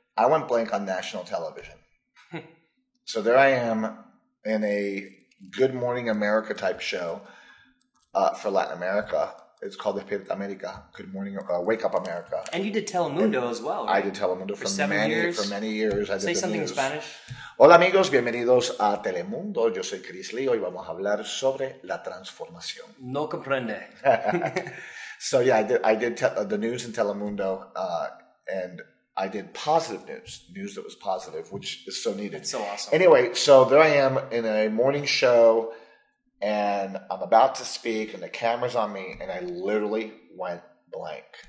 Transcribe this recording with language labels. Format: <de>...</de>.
<en>I went blank on national television. So there I am in a Good Morning America type show for Latin America. It's called Despierta America. Good Morning, Wake Up America. And you did Telemundo as well. Right? I did Telemundo for many years. Say something news. In Spanish.</en> <es>Hola amigos, bienvenidos a Telemundo. Yo soy Chris Lee. Hoy vamos a hablar sobre la transformación. No comprende.</es> <en>So yeah, I did the news in Telemundo, and I did positive news that was positive, which is so needed. That's so awesome. Anyway, so there I am in a morning show. And I'm about to speak, and the camera's on me, and I literally went blank.</en>